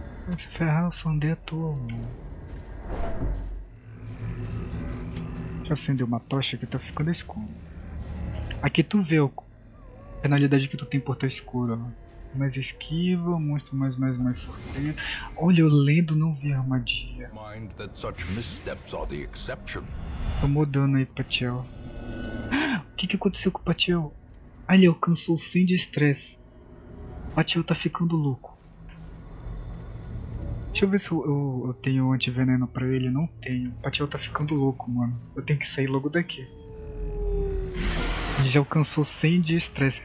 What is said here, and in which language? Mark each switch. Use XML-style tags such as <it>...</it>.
<pt>Se ferrar, eu só andei à toa, mano. Deixa eu acender uma tocha que tá ficando escuro. Aqui tu vê a penalidade que tu tem por estar escuro, ó. Mais esquiva, monstro mais sorteio. Olha, eu lendo não vi armadilha.</pt> <en>Mind that such missteps are the exception.</en> <pt>Tô mudando aí, Patiel. O que aconteceu com o Patiel? Ah, ele alcançou 100 de estresse. Patiel tá ficando louco. Deixa eu ver se eu tenho antiveneno pra ele. Não tenho. Patiel tá ficando louco, mano. Eu tenho que sair logo daqui. Ele já alcançou 100 de estresse.</pt>